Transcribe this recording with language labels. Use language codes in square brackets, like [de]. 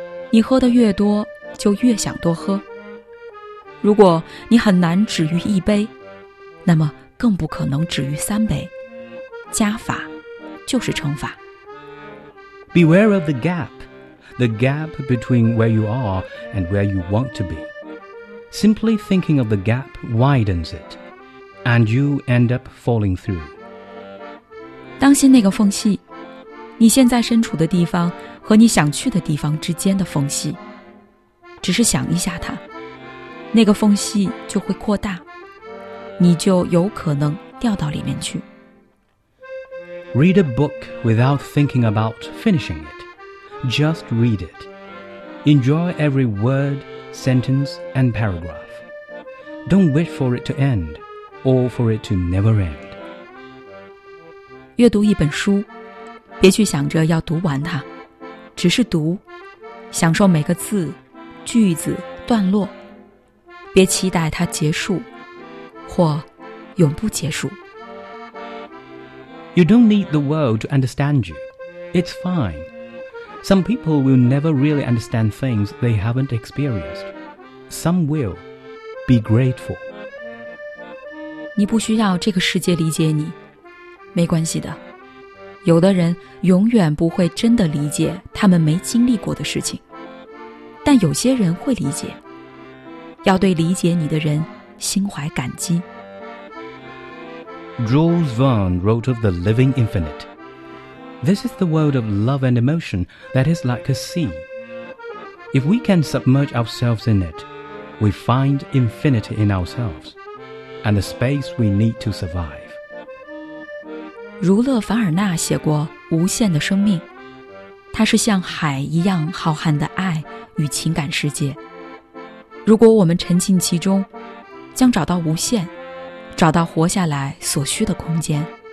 [zh] 你喝得越多，就越想多喝。如果你很难止于一杯，那么更不可能止于三杯，加法就是乘法。 [en] Beware of the gap, the gap between where you are and where you want to be. Simply thinking of the gap widens it, and you end up falling through. [zh] 当心那个缝隙，你现在身处的地方和你想去的地方之间的缝隙，只是想一下它，那个缝隙就会扩大，你就有可能掉到里面去。 [en] Read a book without thinking about finishing it. Just read it. Enjoy every word, sentence, and paragraph. Don't wait for it to end, or for it to never end. [zh] 阅读一本书，别去想着要读完它，只是读，享受每个字、句子、段落。别期待它结束，或永不结束。 [en] You don't need the world to understand you. It's fine. Some people will never really understand things they haven't experienced. Some will. Be grateful. [zh] 你不需要这个世界理解你，没关系的。有的人永远不会真的理解他们没经历过的事情，但有些人会理解。要对理解你的人心怀感激。 [en] Jules Verne wrote of the living infinite. This is the world of love and emotion that is like a sea. If we can submerge ourselves in it, we find infinity in ourselves and the space we need to survive. [zh] 儒勒·凡尔纳写过《无限的生命》，它是像海一样浩瀚的爱与情感世界。如果我们沉浸其中，将找到无限，找到活下来所需的空间。